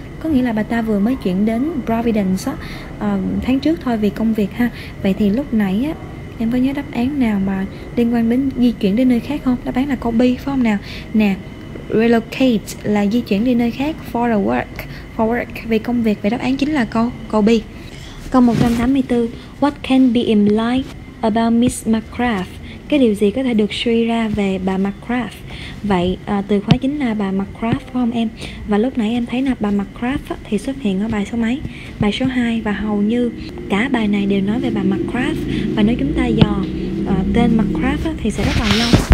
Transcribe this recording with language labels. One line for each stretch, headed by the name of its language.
Vietnamese: Có nghĩa là bà ta vừa mới chuyển đến Providence tháng trước thôi, vì công việc ha. Vậy thì lúc nãy á, em có nhớ đáp án nào mà liên quan đến di chuyển đến nơi khác không? Đáp án là câu B phải không nào? Nè, relocate là di chuyển đi nơi khác,
English: for a work, for work,
Vietnamese: vì công việc. Vậy đáp án chính là câu B. Câu 184,
English: what can be implied about Miss McGrath?
Vietnamese: Cái điều gì có thể được suy ra về bà McGrath? Vậy từ khóa chính là bà McGrath phải không em? Và lúc nãy em thấy là bà McGrath thì xuất hiện ở bài số mấy? Bài số 2. Và hầu như cả bài này đều nói về bà McGrath. Và nếu chúng ta dò tên McGrath thì sẽ rất là lâu.